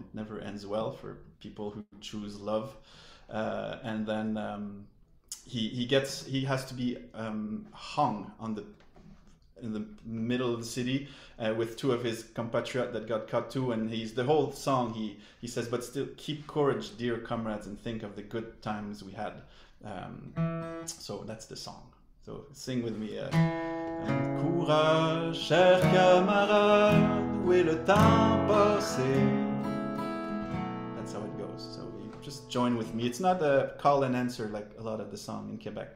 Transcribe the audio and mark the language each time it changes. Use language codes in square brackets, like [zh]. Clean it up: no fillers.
[en] It never ends well for people who choose love. And then... He has to be hung on the in the middle of the city with two of his compatriots that got caught too. And he's the whole song, he says, "But still keep courage, dear comrades, and think of the good times we had." So that's the song. So sing with me. [fr] Courage, chers camarades, où est le temps passé? [en] That's how it goes. So you just join with me. It's not a call and answer like a lot of the song in Quebec.